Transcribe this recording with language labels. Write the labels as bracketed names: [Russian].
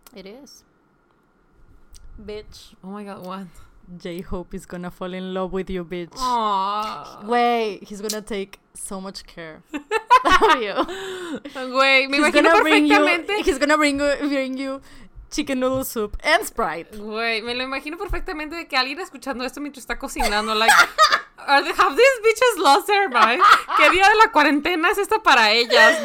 [English] It is. Bitch. Oh my god, what? J-Hope is gonna fall in love with you, bitch. Aww. Wey, he's gonna take so much care of you. [Spanish] Wey, me he's imagino perfectamente. [English] You, he's gonna bring you chicken noodle soup and Sprite. [Spanish] Wey, me lo imagino perfectamente de que alguien escuchando esto mientras está cocinando, like... [English] Are they, have these bitches lost their mind? [Spanish] ¿Qué día de la cuarentena es esta para ellas?